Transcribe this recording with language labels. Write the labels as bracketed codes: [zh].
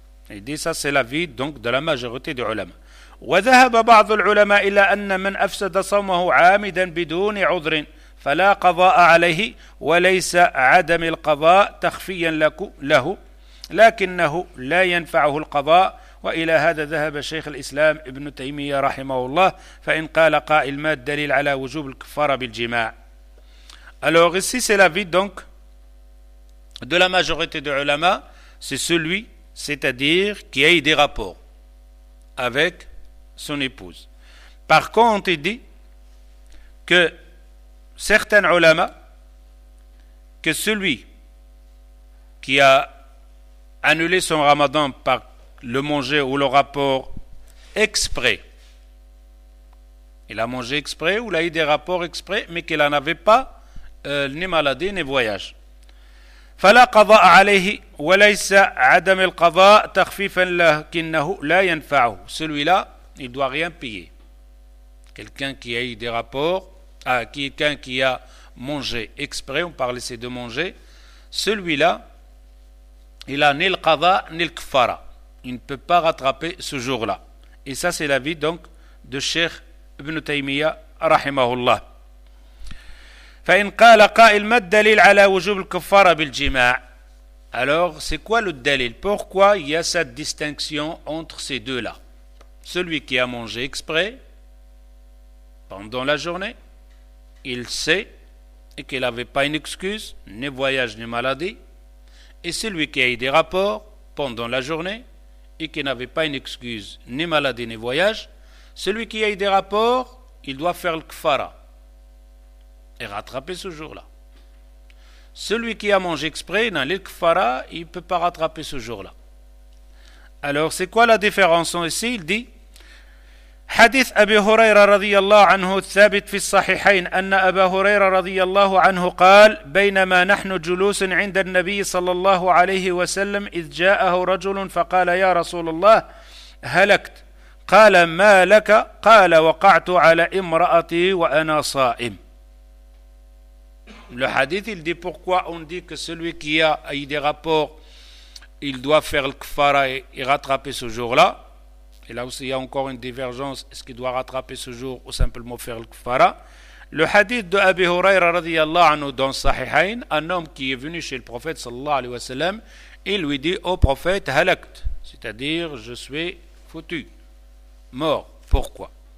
[ar] هذا هو الأفيد من المجرد العلماء. وذهب بعض العلماء إلى أن من أفسد صومه عامدا بدون عذر فلا قضاء عليه وليس عدم القضاء تخفيا له لكنه لا ينفعه القضاء وإلى هذا ذهب شيخ الإسلام ابن تيمية رحمه الله فإن قال قائل ما الدليل على وجوب الكفارة بالجماع. [fr] Alors ici c'est l'avis donc de la majorité de ulama, c'est celui, c'est-à-dire qui a eu des rapports avec son épouse. Par contre, il dit que certains ulama, que celui qui a annulé son ramadan par le manger ou le rapport exprès. Il a mangé exprès ou il a eu des rapports exprès, mais qu'il n'en avait pas ni maladie ni voyage. [ar] فَلَا قَضَاءَ عَلَيْهِ وَلَيْسَ عَدَمِ الْقَضَاءَ تَخْفِيفًا لَكِنَّهُ لَا يَنْفَعُهُ. [fr] Celui-là, il ne doit rien payer. Quelqu'un qui a eu des rapports, quelqu'un qui a mangé exprès, on parle ici de manger, celui-là, il n'a ni le qada ni le kfara. Il ne peut pas rattraper ce jour-là. Et ça, c'est l'avis donc de Cheikh Ibn Taymiyyah, rahimahullah. [ar] فإن قال قائل ما الدليل على وجوب الكفارة بالجماع. [fr] Alors, c'est quoi le dalil? Pourquoi il y a cette distinction entre ces deux-là? Celui qui a mangé exprès pendant la journée, il sait et qu'il n'avait pas une excuse, ni voyage, ni maladie. Et celui qui a eu des rapports pendant la journée, et qui n'avait pas une excuse, ni maladie, ni voyage, celui qui a eu des rapports, il doit faire le kfara et rattraper ce jour-là. Celui qui a mangé exprès, dans le kfara, il ne peut pas rattraper ce jour-là. Alors, c'est quoi la différence ici? Il dit, [ar] حديث أبي هريرة رضي الله عنه الثابت في الصحيحين أن أبا هريرة رضي الله عنه قال بينما نحن جلوس عند النبي صلى الله عليه وسلم إذ جاءه رجل فقال يا رسول الله هلكت قال ما لك قال وقعت على امرأتي وأنا صائم. [fr] Le hadith il dit pourquoi on dit que celui qui a eu des rapports il doit faire le kfara et rattraper ce jour-là. Et là aussi, il y a encore une divergence. Est-ce qu'il doit rattraper ce jour ou simplement faire le kfara? Le hadith de Abi Huraira radiyallahu anhu dans Sahihain, un homme qui est venu chez le prophète sallallahu alayhi wa sallam, il lui dit au prophète halakt, c'est-à-dire je suis foutu, mort. Pourquoi?